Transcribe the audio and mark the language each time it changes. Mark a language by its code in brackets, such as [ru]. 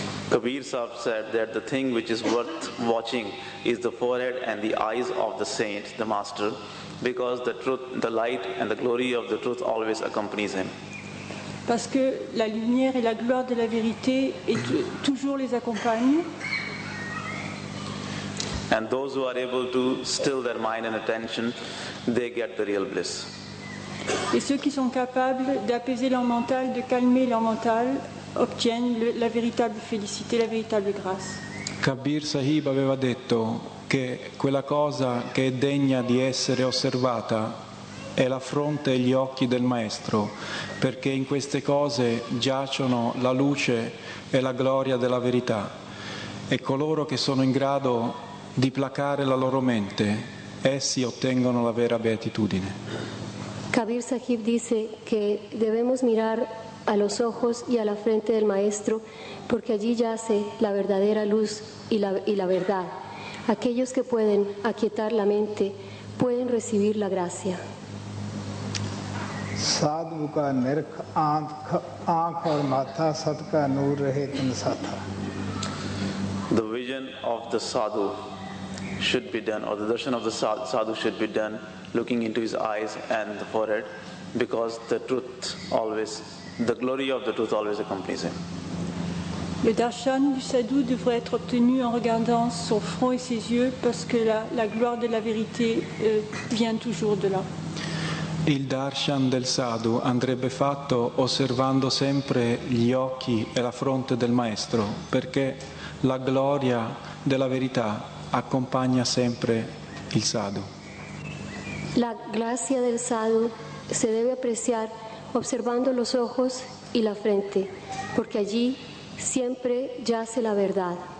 [en] Kabir Sahib said that the thing which is worth watching is the forehead and the eyes of the saint, the master, because the truth, the light and the glory of the truth always accompanies him. [fr] Parce que la lumière et la gloire de la vérité est toujours les accompagne. [en] And those who are able to still their mind and attention, they get the real bliss. [fr] Et ceux qui sont capables d'apaiser leur mental, de calmer leur mental, obtiennent la véritable félicité, la véritable grâce. [it] Kabir Sahib aveva detto che quella cosa che è degna di essere osservata è la fronte e gli occhi del maestro, perché in queste cose giacciono la luce e la gloria della verità. E coloro che sono in grado di placare la loro mente, essi ottengono la vera beatitudine. [es] Kabir Sahib dice che debemos mirar a los ojos y a la frente del maestro, porque allí yace la verdadera luz y la verdad. Aquellos que pueden aquietar la mente pueden recibir la gracia. [hi] Sadhu ka nirkh aankh aur matha sat ka noor rahe tan satha. [en] The vision of the sadhu should be done, or the darshan of the sadhu should be done, looking into his eyes and the forehead, because the truth always, the glory of the truth always accompanies him. [fr] Le darshan du sadhu devrait être obtenu en regardant son front et ses yeux, parce que la gloire de la vérité vient toujours de là. [it] Il darshan del sadhu andrebbe fatto osservando sempre gli occhi e la fronte del maestro, perché la gloria della verità accompagna sempre il sadhu. La grazia del sadhu si deve apreciare osservando [es] los ojos y la frente, porque allí siempre yace la verdad.